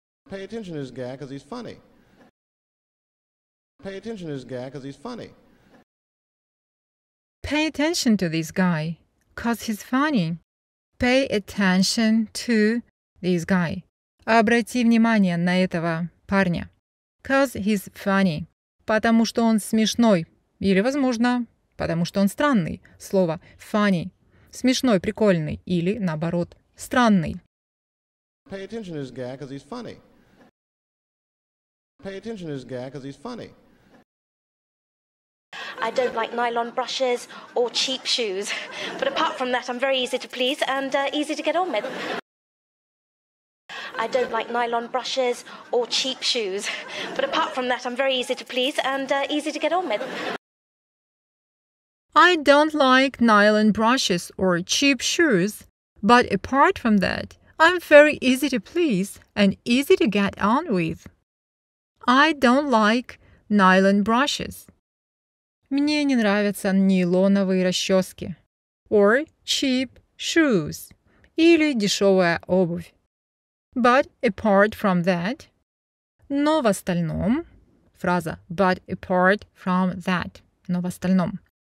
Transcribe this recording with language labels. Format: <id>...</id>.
<en>Pay attention to this guy because he's funny. Pay attention to this guy because he's funny. Pay attention to this guy because he's funny. Pay attention to this guy.</en> <ru>Обрати внимание на этого парня.</ru> <en>Because he's funny.</en> <ru>Потому что он смешной. Или, возможно, потому что он странный. Слово funny. Смешной, прикольный или, наоборот, странный.</ru> <en>Pay attention to this guy, because he's funny. Pay attention to this guy, because he's funny. I don't like nylon brushes or cheap shoes. But apart from that, I'm very easy to please and easy to get on with. I don't like nylon brushes or cheap shoes. But apart from that, I'm very easy to please and easy to get on with. I don't like nylon brushes or cheap shoes, but apart from that, I'm very easy to please and easy to get on with. I don't like nylon brushes.</en> <ru>Мне не нравятся нейлоновые расчески.</ru> <en>Or cheap shoes.</en> <ru>Или дешевая обувь.</ru> <en>But apart from that.</en> <ru>Но в остальном. Фраза</ru> <en>but apart from that.</en> <ru>Но в остальном.</ru>